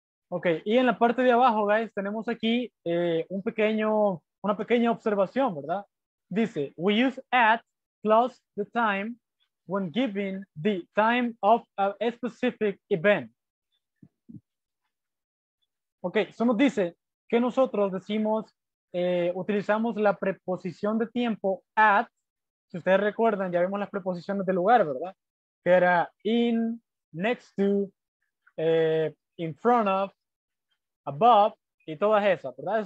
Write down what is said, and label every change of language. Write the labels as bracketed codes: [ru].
[es] Ok, y en la parte de abajo, guys, tenemos aquí una pequeña observación, ¿verdad? [en] Dice, we use at plus the time when giving the time of a specific event. [es] Ok, eso nos dice que nosotros decimos, utilizamos la preposición de tiempo at, si ustedes recuerdan, ya vemos las preposiciones de lugar, ¿verdad? Que era in, next to, in front of, above, y todas esas, ¿verdad?